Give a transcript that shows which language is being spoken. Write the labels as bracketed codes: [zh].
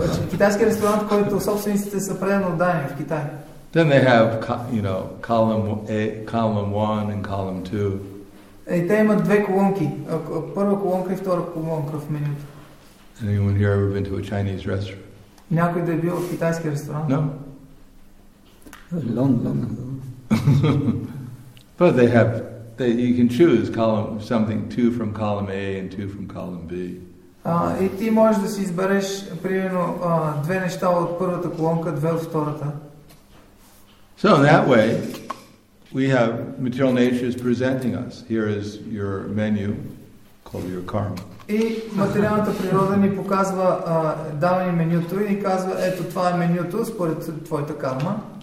[bg] Китайски ресторант, който собствениците са предано отдани в Китай. [en] Then they have, you know, column 1 and column 2. Hey, they have two columns. First column and second column in the menu. Anyone here ever been to a Chinese restaurant? [bg] Някой да е бил в китайски ресторант? [en] No. Long ago. But they have, you can choose column something, two from column A and two from column B. [bg] И ти можеш да си избереш, примерно, две неща от първата колонка, две от втората. [en] So in that way, we have material nature is presenting us. Here is your menu called your karma. [bg] И материалната природа ни показва, дава ни менюто и ни казва, ето това е менюто според твоята карма.